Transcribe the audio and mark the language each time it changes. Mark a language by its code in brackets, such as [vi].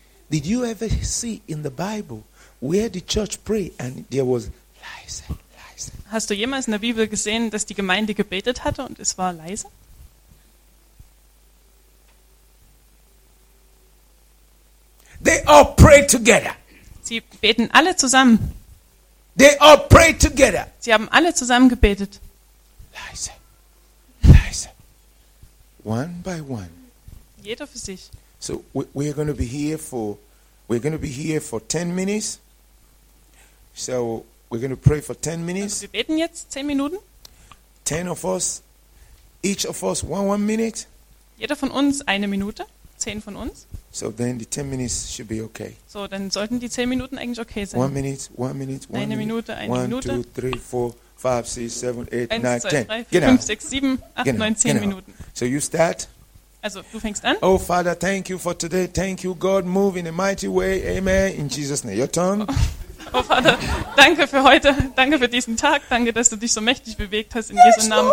[en] Did you ever see in the Bible where the church prayed and there was [de] leise, leise? Hast du jemals in der Bibel gesehen, dass die Gemeinde gebetet hatte und es war leise? [en] They all pray together. [de] Sie beten alle zusammen. [en] They all prayed together. [de] Sie haben alle zusammen gebetet. Leise. Leise. [en] One by one. [de] Jeder für sich. [en] So we're going to be here for 10 minutes. So we're going to pray for 10 minutes. [de] Also wir beten jetzt 10 Minuten. [en] 10 of us. Each of us one minute. [de] Jeder von uns eine Minute. 10 von uns. [en] So then the 10 minutes should be okay. [de] So dann sollten die 10 Minuten eigentlich okay sein. [en] One minute. [de] Eine Minute. [en] 1 2 3 4 5 6 7 8 9 10. 1 2 3 [de] 4 genau. 5 6 7 8 genau. 9 10 genau. Minuten. [en] So you start. [de] Also, du fängst an. [en] Oh Father, thank you for today. Thank you God, move in a mighty way. Amen. In Jesus name. Your turn. [de] Oh Vater, danke für heute. Danke für diesen Tag. Danke, dass du dich so mächtig bewegt hast. In yes, Jesu Namen.